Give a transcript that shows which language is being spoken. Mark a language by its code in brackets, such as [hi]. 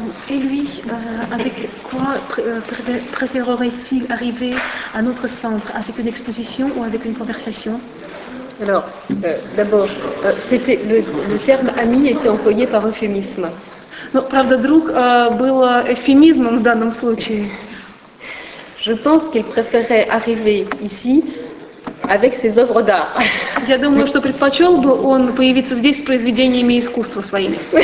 [fr] Et lui, avec quoi préférerait-il arriver à notre centre, avec une exposition ou avec une conversation? Alors, d'abord, c'était le terme « ami » était employé par euphémisme. [ru] Non, правда, друг был эвфемизмом в данном случае. [fr] Je pense qu'il préférait arriver ici avec ses œuvres d'art. [ru] Я думаю, что предпочел бы он появиться здесь с произведениями искусства своими.